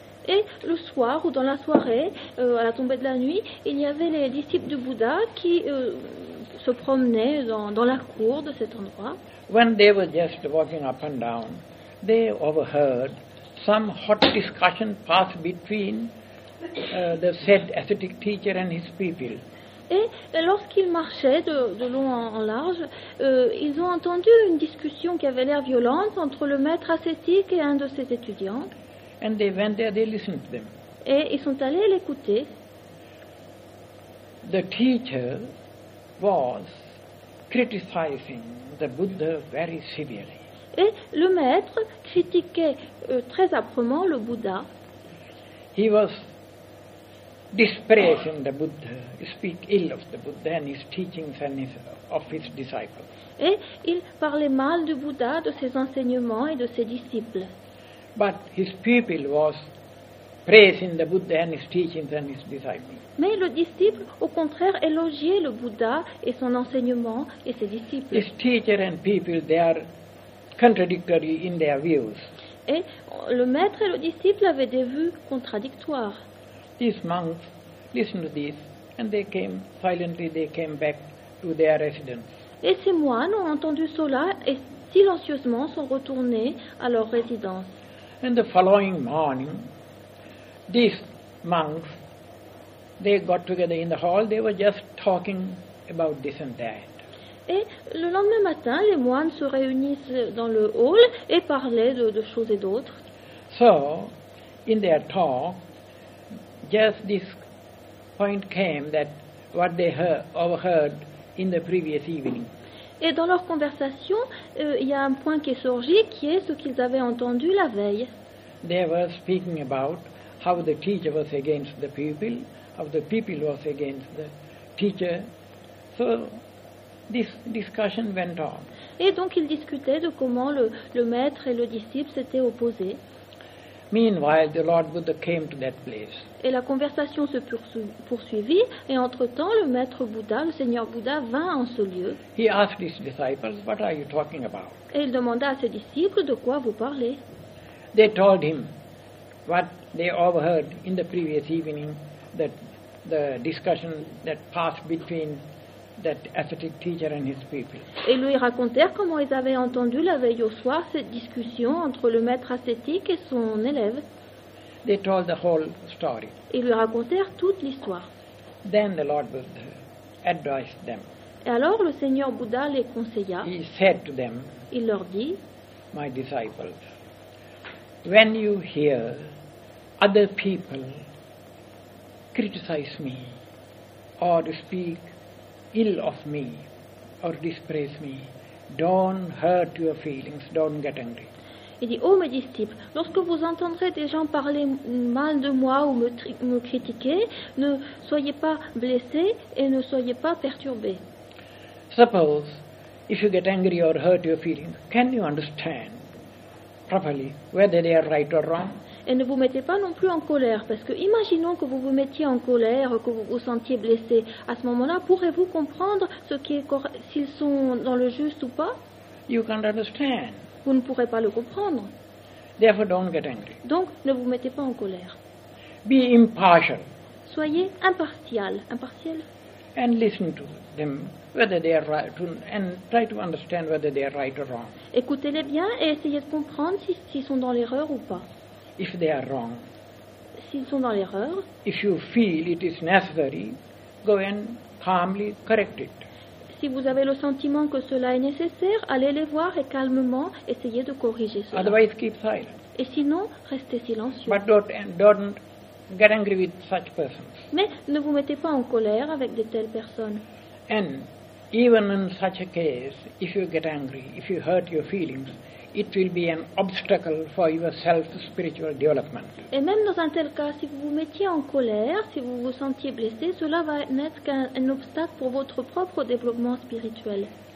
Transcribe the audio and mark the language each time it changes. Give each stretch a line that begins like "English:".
French: Et le soir, ou dans la soirée, à la tombée de la nuit, il y avait les disciples du Bouddha qui se promenaient dans la cour de cet endroit.
English: when they were just walking up and down, they overheard some hot discussion pass between the said ascetic teacher and his pupil.
French: Et lorsqu'ils marchaient de long en large, ils ont entendu une discussion qui avait l'air violente entre le maître ascétique et un de ses étudiants.
English: And they went there, they listened to them.
French: Et ils sont allés l'écouter.
English: The teacher was criticizing the Buddha very severely.
French: Et le maître critiquait très âprement le Bouddha.
English: He was disparaging the Buddha, speak ill of the Buddha and his teachings and of his disciples.
French: Et il parlait mal du Bouddha, de ses enseignements et de ses disciples.
English: But his pupil was praising the Buddha and his teachings and his disciples.
French: Mais le disciple, au contraire, élogiait le Bouddha et son enseignement et ses disciples.
English: His teacher and pupil, they are contradictory in their views.
French: Et le maître et le disciple avaient des vues contradictoires.
English: These monks listened to this and they came silently, they came back to their residence.
French: Et ces moines ont entendu cela et silencieusement sont retournés à leur résidence.
English: And the following morning, these monks, they got together in the hall, they were just talking about this and that.
French: Et le lendemain matin, les moines se réunissent dans le hall et parlaient de choses et d'autres.
English: So, in their talk, just this point came that what they overheard in the previous evening.
French: Et dans leur conversation, il y a un point qui est surgi, qui est ce qu'ils avaient entendu la veille.
English: They were speaking about how the teacher was against the pupil, how the pupil was against the teacher. So this discussion went on.
French: Et donc ils discutaient de comment le maître et le disciple s'étaient opposés.
English: Meanwhile, the Lord Buddha came to that place.
French: Et la conversation se poursuivit, et entre-temps, le maître Bouddha, le Seigneur Bouddha, vint en ce lieu.
English: He asked his disciples, "What are you talking about?"
French: Et il demanda à ses disciples, "De quoi vous parlez?"
English: They told him what they overheard in the previous evening, that the discussion that passed between that ascetic teacher and his pupil.
French: Et lui racontèrent comment ils avaient entendu la veille au soir cette discussion entre le maître ascétique et son élève.
English: They told the whole story.
French: Et lui racontèrent toute l'histoire.
English: Then the Lord Buddha advised them.
French: Et alors le Seigneur Bouddha les conseilla.
English: He said to them,
French: il leur dit,
English: my disciples, when you hear other people criticize me or speak ill of me or disparage me, don't hurt your feelings, don't get angry.
French: Il dit, oh mes disciples, lorsque vous entendrez des gens parler mal de moi ou me critiquer, ne soyez pas blessés et ne soyez pas perturbés.
English: Suppose, if you get angry or hurt your feelings, can you understand properly whether they are right or wrong?
French: Et ne vous mettez pas non plus en colère, parce que imaginons que vous vous mettiez en colère, que vous vous sentiez blessé. À ce moment-là, pourrez-vous comprendre ce qui est s'ils sont dans le juste ou pas?
English: You can't understand.
French: Vous ne pourrez pas le comprendre.
English: Therefore, don't get angry.
French: Donc, ne vous mettez pas en colère.
English: Be impartial.
French: Soyez impartial. Impartial.
English: And listen to them, whether they are right, and try to understand whether they are right or wrong.
French: Écoutez-les bien et essayez de comprendre s'ils sont dans l'erreur ou pas.
English: If they are wrong,
French: s'ils sont dans l'erreur,
English: if you feel it is necessary, go and calmly correct it.
French: Si vous avez le sentiment que cela est nécessaire, allez les voir et calmement essayez de corriger cela.
English: Otherwise, keep silent.
French: Et sinon, restez silencieux.
English: But don't get angry with such persons.
French: Mais ne vous mettez pas en colère avec de telles personnes.
English: And even in such a case, if you get angry, if you hurt your feelings, it will be an obstacle for your self-spiritual development.
French: Et même dans un tel cas, si vous vous mettiez en colère, si vous vous sentiez blessé, cela va n'être qu'un obstacle pour votre propre développement spirituel.